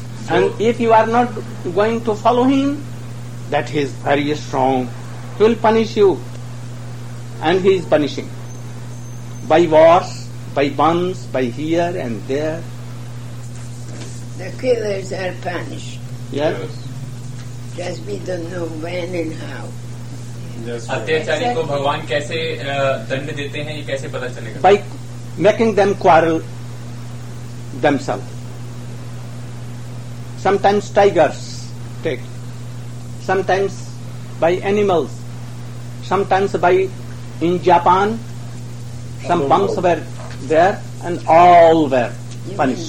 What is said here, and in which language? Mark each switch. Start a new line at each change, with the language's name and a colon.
English: And if you are not going to follow Him, that He is very strong. He will punish you. And He is punishing. By wars, by bonds, by here and there. The killers are punished. Yes. Just we don't know when and how.
Hindi: अत्याचारी को भगवान कैसे दंड देते हैं ये कैसे पता चलेगा?
English: By making them quarrel themselves. Sometimes tigers take, sometimes by animals, sometimes by, in Japan, some bombs were there and all were punished.